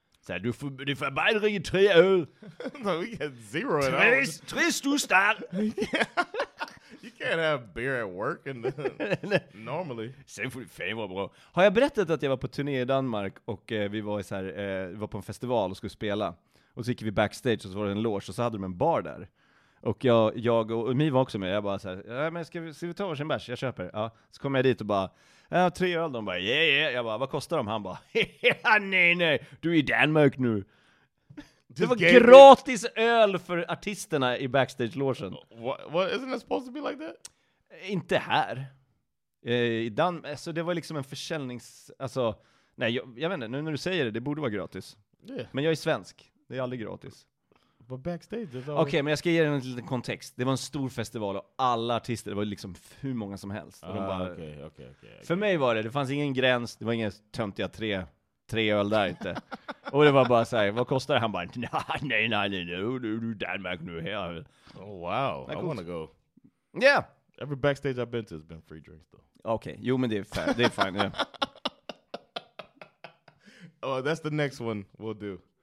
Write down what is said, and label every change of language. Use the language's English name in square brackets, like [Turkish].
[Swedish] Så här, du får bara dricka 3 öl. [English] No, we get 0 at [Swedish] all. Tre stustar. [English] You can't have beer at work and normally. [Swedish] Sen får du 5 år, bro. Har jag berättat att jag var på turné i Danmark och vi var så här, var på en festival och skulle spela. Och så gick vi backstage och så var det en loge och så hade de en bar där. Och jag och Mi var också med. Jag bara så här, men ska vi ta varsin bärs? Jag köper. Ja. Så kom jag dit och bara... Ja, 3 öl. De bara, yeah, yeah. Jag bara, vad kostar de? Han bara, nej. Du är i Danmark nu. Det var gratis öl för artisterna i backstage-logen. [English] What? Isn't it supposed to be like that? [Swedish] Inte här. I Danmark. Så det var liksom en försäljnings... Alltså, nej, jag vet inte. Nu när du säger det borde vara gratis. [English] Yeah. [Swedish] Men jag är svensk. Det är aldrig gratis. [English] But backstage... [Swedish] Okej, okay, men jag ska ge dig en liten kontext. Det var en stor festival och alla artister, det var liksom hur många som helst. Okej. För mig var det fanns ingen gräns, det var inga töntiga 3 öl där inte. Och det var bara så här, vad kostar det? Han bara, nej, du är Danmark nu. Här. [English] Oh, wow. I want to go. Yeah. Every backstage I've been to has been free drinks, though. [Swedish] Okej, okay. Jo, men det är fine, yeah. [English] Oh, that's the next one we'll do.